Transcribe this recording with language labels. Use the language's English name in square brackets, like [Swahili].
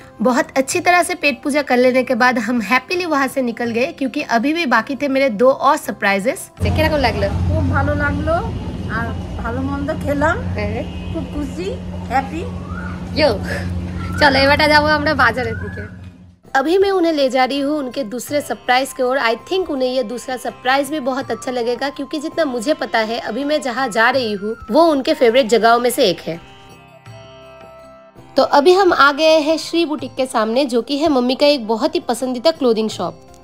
[Hindi] बहुत अच्छी तरह से पेट पूजा कर लेने के बाद हम हैप्पीली वहाँ से निकल गए क्योंकि अभी भी बाकी थे मेरे दो और सरप्राइजेस। [Bangla] কেমন লাগলো? খুব ভালো লাগলো আর ভালো মন্দ খেলাম খুব খুশি হ্যাপি। ইয়ো চলো এবারটা যাবো আমরা বাজারের দিকে। [Hindi] अभी मैं उन्हें ले जा रही हूँ उनके दूसरे सरप्राइज की ओर। आई थिंक उन्हें यह दूसरा सरप्राइज भी बहुत अच्छा लगेगा क्योंकि जितना मुझे पता है अभी मैं जहाँ जा रही हूँ वो उनके फेवरेट जगहों में से एक है। तो अभी हम आ गए हैं श्री बुटीक के सामने जो कि है मम्मी का एक बहुत ही पसंदीदा क्लोथिंग शॉप।